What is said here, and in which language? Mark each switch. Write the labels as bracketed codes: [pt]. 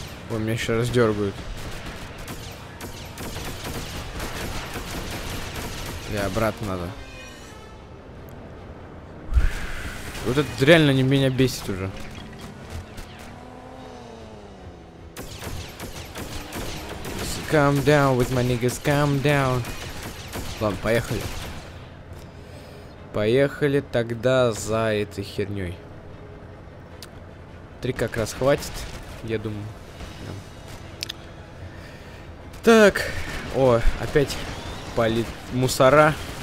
[ru] Ой, меня еще раз дергают. Я обратно надо. Вот это реально не меня бесит уже. [en] Calm down with my niggas, calm down. [ru] Ладно, поехали. Поехали тогда за этой херней. Три как раз хватит, я думаю. Да. Так, о, опять палит мусора.